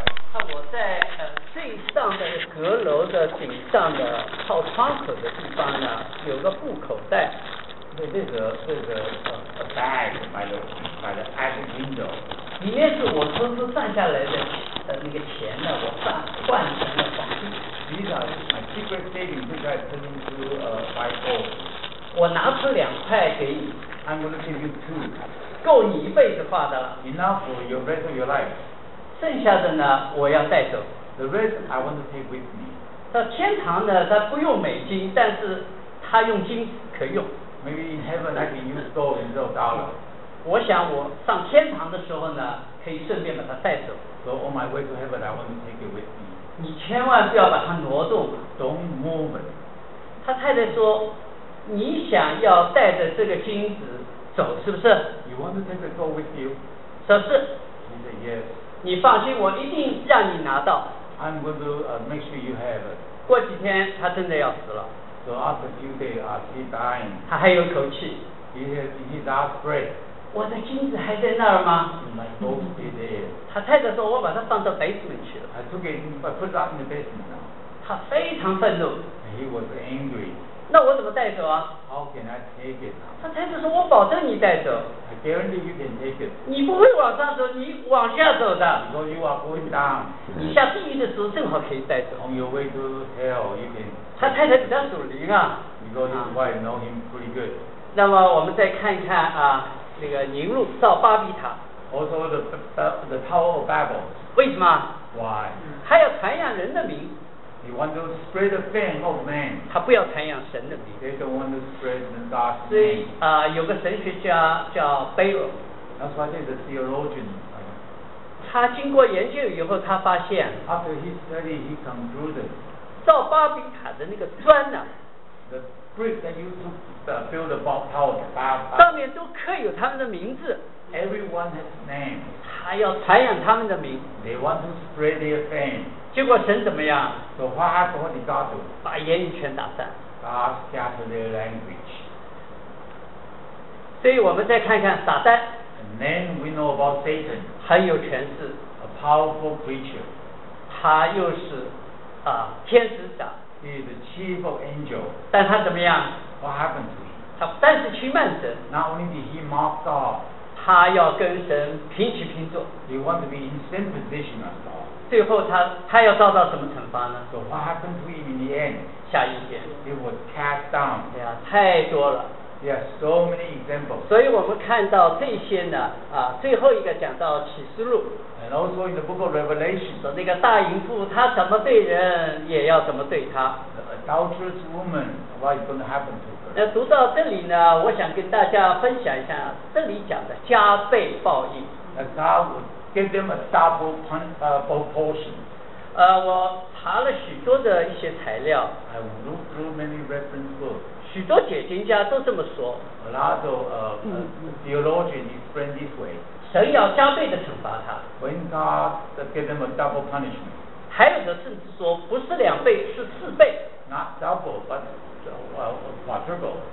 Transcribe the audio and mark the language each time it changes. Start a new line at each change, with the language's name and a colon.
Chinese: 看我在最上的阁楼的顶上的靠窗口的地方呢，有个布口袋。对，这个
English: bag by the attic window。
Chinese: 里面是我偷偷赚下来的那个钱呢，我换成了黄金。
English: These are my secret savings which I turned into buy gold。
Chinese: 我拿出两块给你。
English: I'm gonna give you two。
Chinese: 够你一辈子花的了。
English: Enough for your rest of your life。
Chinese: 剩下的呢，我要带走。
English: The rest I want to take with me.
Chinese: 到天堂呢，他不用美金，但是他用金可以用。
English: Maybe in heaven I can use gold and no dollar.
Chinese: 我想我上天堂的时候呢，可以顺便把它带走。
English: So on my way to heaven I want to take it with me.
Chinese: 你千万不要把它挪动。
English: Don't move it.
Chinese: 他太太说，你想要带着这个金子走是不是？
English: You want to take the gold with you?
Chinese: 说是。
English: He said yes.
Chinese: 你放心，我一定让你拿到。
English: I'm going to make sure you have it.
Chinese: 过几天他真的要死了。
English: So after a few days, he dying.
Chinese: 他还有口气。
English: He last breath.
Chinese: 我的金子还在那儿吗？
English: My gold is there.
Chinese: 他太太说，我把它放到 basement 去了。
English: I took it, but put it up in the basement now.
Chinese: 他非常愤怒。
English: He was angry.
Chinese: 那我怎么带走啊？
English: How can I take it?
Chinese: 他抬手说，我保证你带走。
English: I guarantee you can take it.
Chinese: 你不会往上走，你往下走的。
English: So you are going down.
Chinese: 你下地狱的时候正好可以带走。
English: On your way to hell, you can.
Chinese: 他太太比较属灵啊。
English: Because his wife know him pretty good.
Chinese: 那么我们再看一看啊，那个宁路到巴比塔。
English: Also the Tower of Babel.
Chinese: 为什么？
English: Why?
Chinese: 他要传扬人的名。
English: He wants to spread the fame of man.
Chinese: 他不要传扬神的名。
English: They don't want to spread the God's name.
Chinese: 所以啊，有个神学家叫 Bayle.
English: That's why he's a theologian.
Chinese: 他经过研究以后，他发现。
English: After he studied, he concluded.
Chinese: 造巴比塔的那个砖呢、啊？
English: The brick that you took to build the tower.
Chinese: 上面都刻有他们的名字。
English: Everyone has name.
Chinese: 他要传扬他们的名。
English: They want to spread their fame.
Chinese: 结果神怎么样？
English: So what did God do?
Chinese: 把言语权打散。
English: God scattered their language.
Chinese: 所以我们再看看撒旦。
English: And then we know about Satan.
Chinese: 很有权势。
English: A powerful creature.
Chinese: 他又是啊天使长。
English: He is the chief of angels.
Chinese: 但他怎么样？
English: What happened to him?
Chinese: 他但是轻慢神。
English: Not only did he mock God.
Chinese: 他要跟神平起平坐。
English: He wants to be in same position as God.
Chinese: 最后他要遭到什么惩罚呢？
English: So what happened to him in the end?
Chinese: 下一天。
English: He was cast down.
Chinese: 对啊，太多了。
English: There are so many examples.
Chinese: 所以我们看到这些呢，啊，最后一个讲到启示录。
English: And also in the book of Revelation,
Chinese: 说那个大淫妇，她怎么对人，也要怎么对她。
English: The adulterous woman, what is going to happen to her?
Chinese: 那读到这里呢，我想跟大家分享一下，这里讲的加倍报应。
English: That God would give them a double pun, proportion.
Chinese: 我查了许多的一些材料。
English: I looked through many reference books.
Chinese: 许多解经家都这么说。
English: A lot of theologians explain this way.
Chinese: 神要加倍的惩罚他。
English: When God gives them a double punishment.
Chinese: 还有的甚至说不是两倍，是四倍。
English: Not double, but quadruple.